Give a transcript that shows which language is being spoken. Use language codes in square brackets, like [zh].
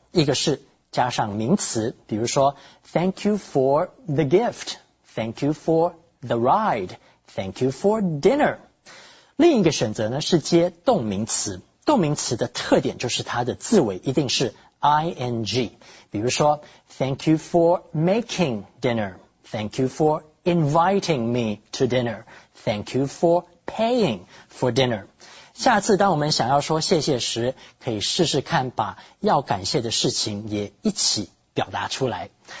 [zh] 一个是加上名词，比如说 [en] thank you for the gift, thank you for the ride, thank you for dinner。 [zh] 另一个选择呢是接动名词。动名词的特点就是它的字尾一定是 ing。比如说 [en] thank you for making dinner, thank you for inviting me to dinner, thank you for paying for dinner。 [zh] 下次当我们想要说谢谢时，可以试试看把要感谢的事情也一起表达出来。